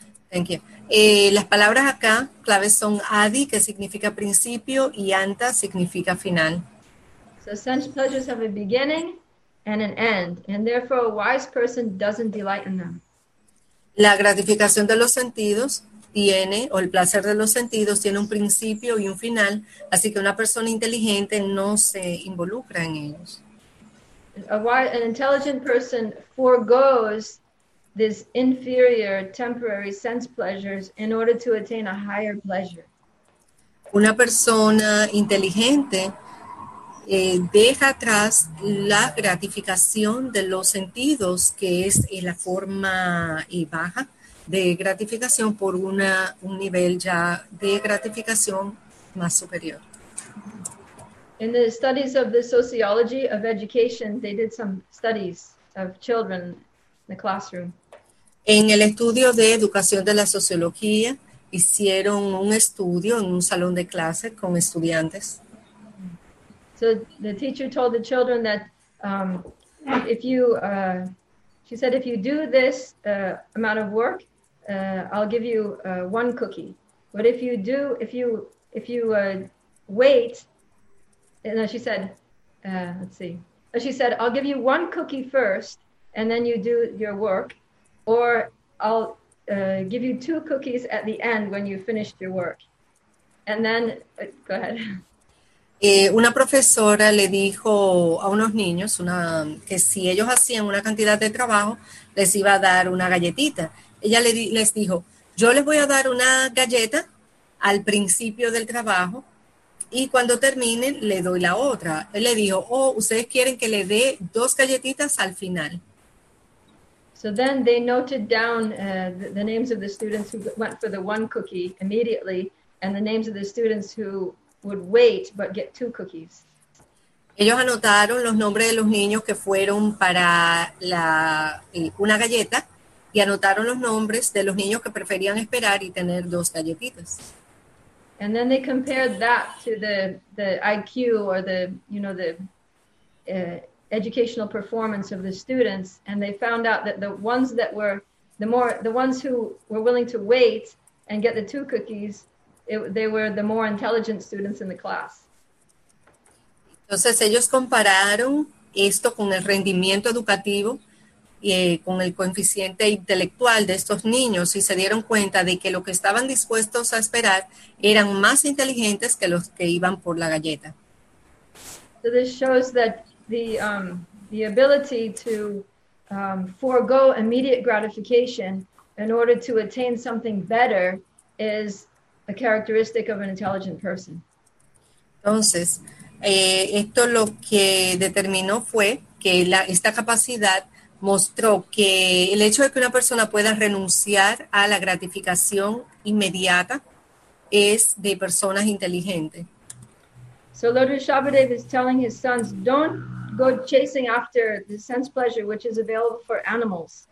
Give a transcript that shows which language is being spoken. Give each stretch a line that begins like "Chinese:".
English: Thank you.
Spanish: Las palabras acá claves son adi, que significa principio, y anta significa final.
English: sense pleasures have a beginning and an end, and therefore a wise person doesn't delight in them.
Spanish: La gratificación de los sentidos tiene, o el placer de los sentidos tiene un principio y un final, así que una persona inteligente no se involucra en ellos.
English: An intelligent person foregoes this inferior temporary sense pleasures in order to attain a higher pleasure.
Spanish: Una persona inteligente deja atrás la gratificación de los sentidos, que es la forma baja de gratificación, por un nivel ya de gratificación más superior.
English: In the studies of the sociology of education, they did some studies of children in the classroom.
Spanish: En el estudio de educación de la sociología, hicieron un estudio en un salón de clase con estudiantes.
English: So the teacher told the children that if you, she said, if you do this amount of work, I'll give you one cookie. But if you do, if you wait. And then she said, let's see. She said, I'll give you one cookie first, and then you do your work, or I'll give you two cookies at the end when you finished your work. And then, go ahead.
Spanish: Una profesora le dijo a unos niños que si ellos hacían una cantidad de trabajo, les iba a dar una galletita. Ella les dijo, yo les voy a dar una galleta al principio del trabajo y cuando terminen le doy la otra. Él le dijo, oh, ustedes quieren que le dé dos galletitas al final.
English: So then they noted down the names of the students who went for the one cookie immediately and the names of the students who would wait but get two cookies.
Spanish: Ellos anotaron los nombres de los niños que fueron para una galleta y anotaron los nombres de los niños que preferían esperar y tener dos galletitas.
English: And then they compared that to the IQ or the, you know, the educational performance of the students. And they found out that the ones that were the more, the ones who were willing to wait and get the two cookies, they were the more intelligent students in the class.
Spanish: Entonces ellos compararon esto con el rendimiento educativo y con el coeficiente intelectual de estos niños y se dieron cuenta de que lo que estaban dispuestos a esperar eran más inteligentes que los que iban por la galleta.
English: So this shows that the ability to forego immediate gratification in order to attain something better is a characteristic of an intelligent person.
Spanish: Entonces, esto lo que determinó fue que esta capacidad mostró que el hecho de que una persona pueda renunciar a la gratificación inmediata es de personas inteligentes.
English: So Lord Rishabhadev is telling his sons, don't go chasing after the sense pleasure which is available for animals.